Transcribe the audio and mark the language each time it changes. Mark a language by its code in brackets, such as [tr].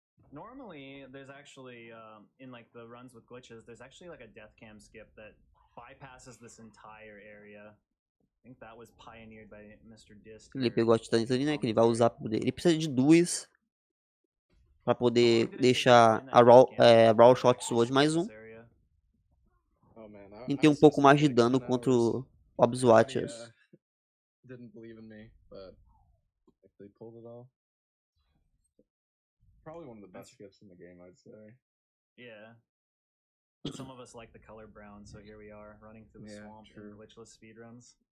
[en] Normally, there's actually, in like the runs with glitches, there's actually like a death cam skip that bypasses this entire area. I think that was pioneered by Mr. Disc. [pt] Ele pegou a titanita ali, né, que ele vai usar pra poder... Ele precisa de 2 pra poder deixar a Raw Shot Sword mais 1. E ter um pouco mais de dano contra o Abzuatius. [en] Didn't believe in me, but if they pulled it off. Probably one of the best gifts in the game, I'd say. Yeah. Some of us like the color brown, so here we are, running through the swamp for glitchless speedruns.